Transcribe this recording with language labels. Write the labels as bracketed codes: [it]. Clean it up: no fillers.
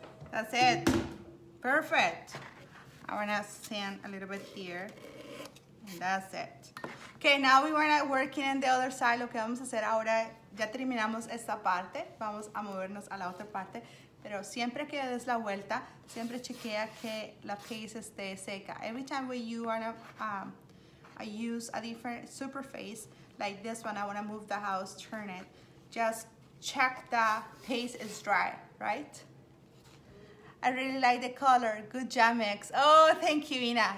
[en] That's it. Perfect. I wanna sand a little bit here. And that's it. Okay, now we wanna work in the other side. [es] Lo que vamos a hacer ahora, ya terminamos esta parte. Vamos a movernos a la otra parte. Pero siempre que des la vuelta, siempre chequea que la paste esté seca. [en] Every time when you wanna use a different superface, like this one, I wanna move the house, turn it. Just check the paste is dry, right? I really like the color. Good jam mix. Oh, thank you, Ina.